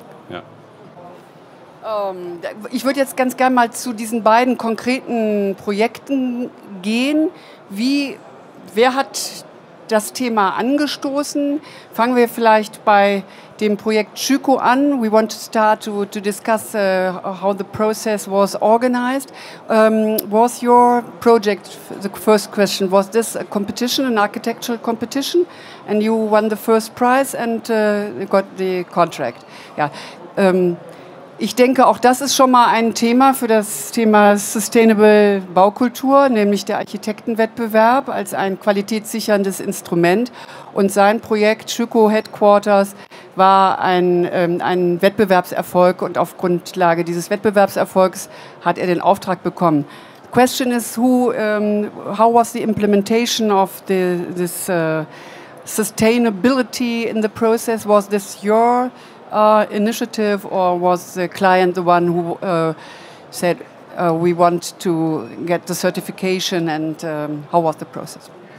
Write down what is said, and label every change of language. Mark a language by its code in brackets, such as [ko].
[de] Ja. Ich würde jetzt ganz gerne mal zu diesen beiden konkreten Projekten gehen. Wer hat das Thema angestoßen? Fangen wir vielleicht bei dem Projekt Schüko an. [en] We want to start to discuss how the process was organized. Was your project, the first question, was this a competition, an architectural competition? And you won the first prize and got the contract. [de] Ja, ich denke, auch das ist schon mal ein Thema für das Thema Sustainable Baukultur, nämlich der Architektenwettbewerb als ein qualitätssicherndes Instrument. Und sein Projekt Schüko Headquarters war ein Wettbewerbserfolg und auf Grundlage dieses Wettbewerbserfolgs hat er den Auftrag bekommen. [en] The question is, how was the implementation of this sustainability in the process? Was this your initiative or was the client the one who said we want to get the certification and how was the process?